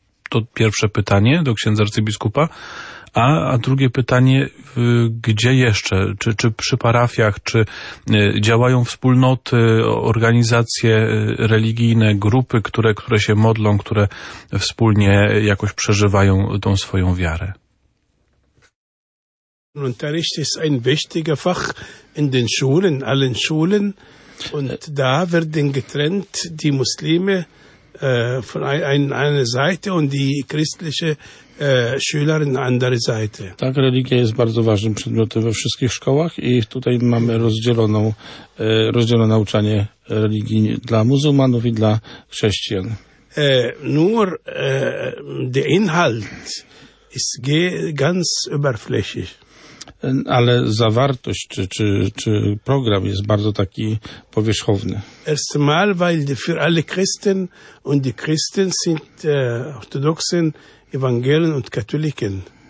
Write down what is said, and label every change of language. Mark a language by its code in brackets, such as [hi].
[pl] To pierwsze pytanie do księdza arcybiskupa. A drugie pytanie, gdzie jeszcze? Czy przy parafiach, czy działają wspólnoty, organizacje religijne, grupy, które się modlą, które wspólnie jakoś przeżywają tą swoją wiarę? [de] Unterricht ist ein wichtiger Fach in den Schulen, allen Schulen. Und da werden getrennt die Muslime von einer Seite und die christliche Schüler in andere Seite. [pl] Tak, religia jest bardzo ważnym przedmiotem we wszystkich szkołach i tutaj mamy rozdzielone nauczanie religii dla muzułmanów i dla chrześcijan. [de] Nur der Inhalt ist ganz überflächig. [pl] Ale zawartość czy program jest bardzo taki powierzchowny. [de] Erstmal, weil für alle Christen und die Christen sind orthodoxen Evangelien und Katholiken.